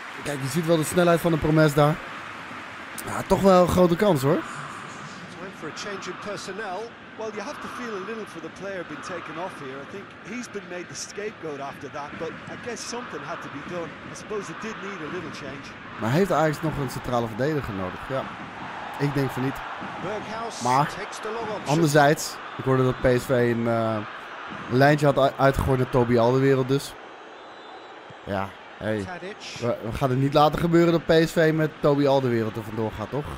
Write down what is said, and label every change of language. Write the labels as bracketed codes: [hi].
[nl] Kijk, je ziet wel de snelheid van de Promes daar. Ja, toch wel een grote kans hoor. [en] Time for a change in personnel. Well, you have to feel a little for the player been taken off here. I think he's been made the scapegoat after that, but I guess something had to be done. I suppose it did need a little change. [nl] Maar heeft Ajax nog een centrale verdediger nodig? Ja. Ik denk van niet. Maar anderzijds, ik hoorde dat PSV een lijntje had uitgegooid naar Toby Alderweireld dus. Ja, hey. We gaan het niet laten gebeuren dat PSV met Toby Alderweireld er vandoor gaat, toch?